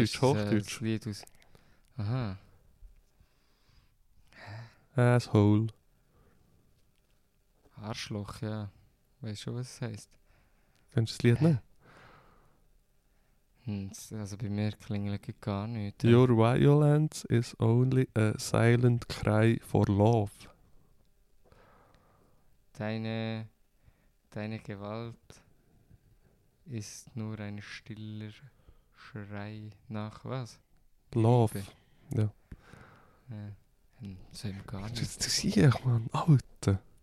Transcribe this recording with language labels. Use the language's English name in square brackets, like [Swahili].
[German] Ist das Lied aha. [English] Asshole. [German] Arschloch, ja. Weißt du, was es heisst? Kennst du das Lied nicht? Also bei mir klingelt gar nichts. [English] Your violence is only a silent cry for love. [German] Deine Gewalt ist nur ein stiller Schrei nach was? Love. Ja. Das haben wir gar nicht. Du siehst, Mann, Alter.